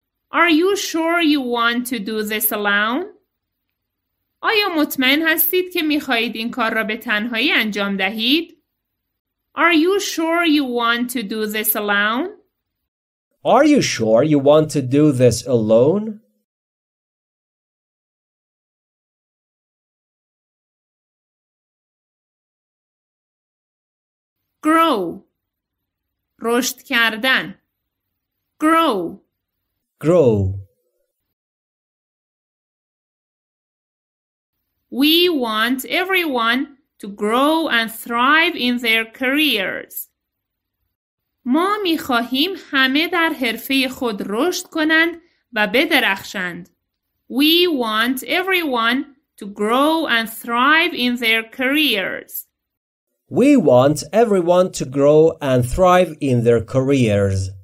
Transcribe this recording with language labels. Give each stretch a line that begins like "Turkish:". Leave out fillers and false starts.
English: Are you sure you want to do this alone?
Persian: آیا مطمئن هستید که می‌خواهید این کار را به تنهایی انجام دهید؟
English: Are you sure you want to do this alone? Are you sure you want to do this alone?
Persian: Grow. رشد کردن. Grow.
English: Grow. We want everyone to grow and thrive in their careers.
Persian: ما می‌خواهیم همه در حرفه خود رشد کنند و بدرخشند.
English: We want everyone to grow and thrive in their careers. We want everyone to grow and thrive in their careers.